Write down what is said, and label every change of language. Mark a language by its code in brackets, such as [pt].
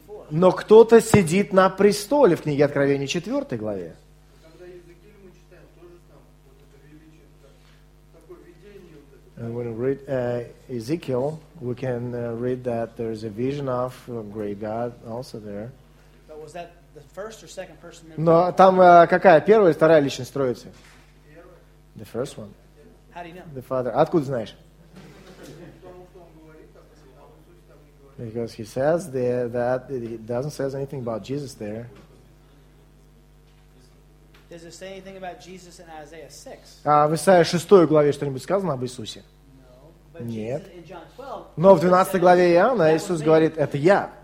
[ru] Но кто-то сидит на престоле в книге Откровения 4 главе. [en] When we read Ezekiel, we can read that there is a vision of a great God also there. But was that the first or second person? [ru] Но там какая, первая или вторая личность Троицы? [en] The first one. How do you know? The Father. [ru] Откуда знаешь? [en] Because he says there that it doesn't say anything about Jesus there. Does it say anything about Jesus in Isaiah 6? [ru] А в Исаии 6 главе что-нибудь сказано об Иисусе? Нет. Но в 12 главе Иоанна Иисус говорит, это я.